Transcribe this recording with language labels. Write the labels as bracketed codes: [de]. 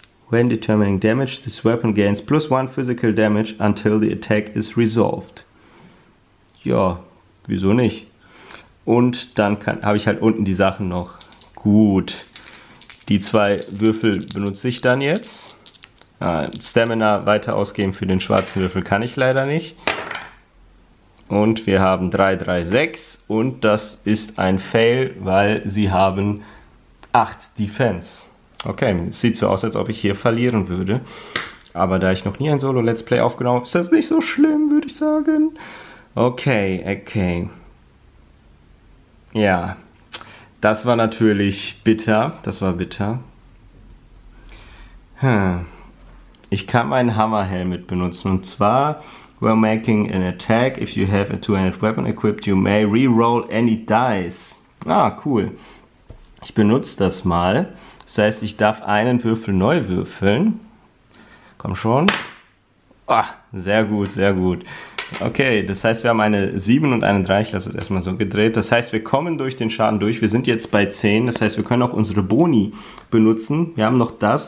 [en] When determining damage, this weapon gains plus 1 physical damage until the attack is resolved. [de] Ja, wieso nicht? Und dann habe ich halt unten die Sachen noch. Gut. Die 2 Würfel benutze ich dann jetzt. Stamina weiter ausgeben für den schwarzen Würfel kann ich leider nicht. Und wir haben 3, 3, 6. Und das ist ein Fail, weil sie haben 8 Defense. Okay, sieht so aus, als ob ich hier verlieren würde. Aber da ich noch nie ein Solo-Let's Play aufgenommen habe, ist das nicht so schlimm, würde ich sagen. Okay. Ja, das war natürlich bitter. Das war bitter. Ich kann meinen Hammer-Helmet benutzen. Und zwar, [en] while making an attack, if you have a two-handed weapon equipped, you may re-roll any dice. [de] Ah, cool. Ich benutze das mal. Das heißt, ich darf einen Würfel neu würfeln. Komm schon. Ah, sehr gut, sehr gut. Okay, das heißt, wir haben eine 7 und eine 3. Ich lasse das erstmal so gedreht. Das heißt, wir kommen durch den Schaden durch. Wir sind jetzt bei 10. Das heißt, wir können auch unsere Boni benutzen. Wir haben noch das.